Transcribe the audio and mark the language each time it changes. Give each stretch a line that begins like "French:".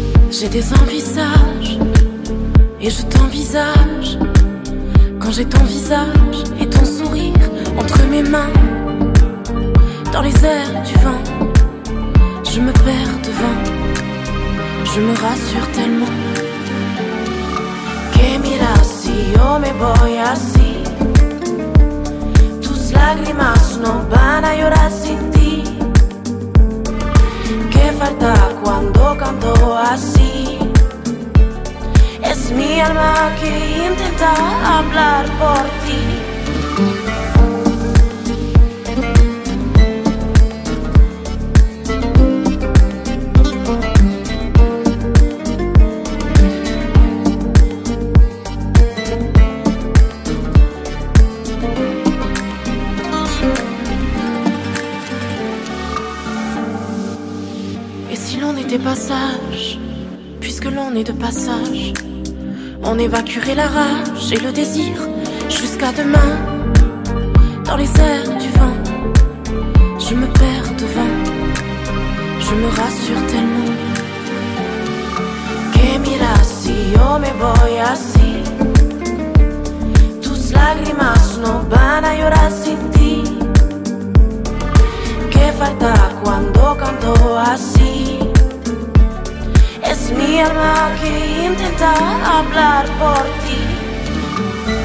French: J'ai des envisages et je t'envisage. Quand j'ai ton visage et ton sourire entre mes mains, dans les airs du vent, je me perds devant, je me rassure tellement.
Spanish: Que mira si yo me voy así, tus lágrimas no van a llorar sin ti. Que falta cuando canto así, es mi alma que intenta hablar por ti.
French: Passage, puisque l'on est de passage, on évacuerait la rage et le désir jusqu'à demain. Dans les airs du vent, je me perds devant, je me rassure tellement.
Spanish: Que mira si yo me voy así, tus lágrimas no van a llorar sin ti. Que falta cuando canto así, es mi alma que intenta hablar por ti.